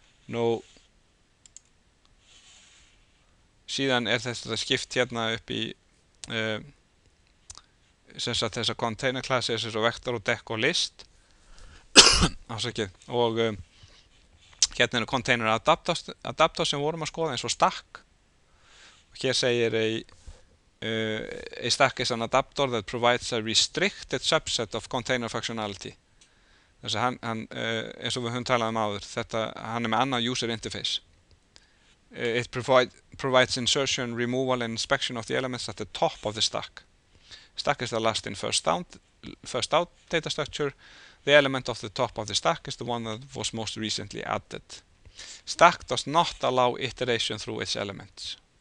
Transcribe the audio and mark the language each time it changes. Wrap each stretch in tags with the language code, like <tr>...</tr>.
<is>Nú, síðan er þetta skipt hérna upp í þessa container klassi, þessi svo vektor og dekk og list. Ásakið. Og hérna er container adapter sem vorum að skoða eins og stack. Og hér segir</is> <en>a stack is an adapter that provides a restricted subset of container functionality.</en> <is>Þessi hann eins og við höfum talað áður, þetta, hann er með annað user interface.</is> <en>It provides insertion, removal and inspection of the elements at the top of the stack. Stack is the last in first out data structure. The element of the top of the stack is the one that was most recently added. Stack does not allow iteration through its elements.</en>